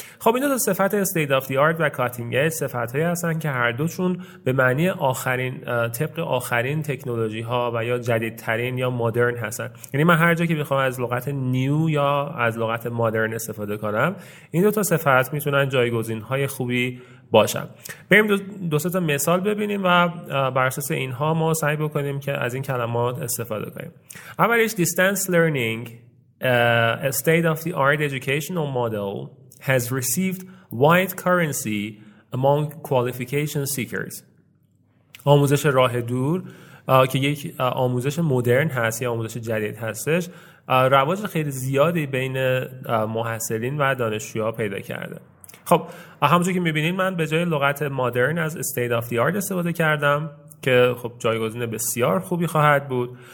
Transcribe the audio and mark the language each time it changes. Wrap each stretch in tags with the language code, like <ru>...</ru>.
<fa>خب این دو صفت state of the art و cutting edge صفت هایی هستن که هر دوشون به معنی آخرین طبق آخرین تکنولوژی ها و یا جدیدترین یا مدرن هستن. یعنی من هر جا که بخوام از لغت new یا از لغت مدرن استفاده کنم این دو تا صفت میتونن جایگزین های خوبی باشن. بریم دو سه تا مثال ببینیم و بر اساس اینها ما سعی بکنیم که از این کلمات استفاده کنیم. اولش</fa> <en>distance learning a state-of-the-art educational model has received wide currency among qualification seekers.</en> <fa>آموزش راه دور که یک آموزش مدرن هست یا آموزش جدید هستش رواج خیلی زیادی بین محصلین و دانشجوها پیدا کرده. خب همونجور که میبینین من به جای لغت مدرن از state-of-the-art استفاده کردم که خب جایگزین بسیار خوبی خواهد بود.</fa>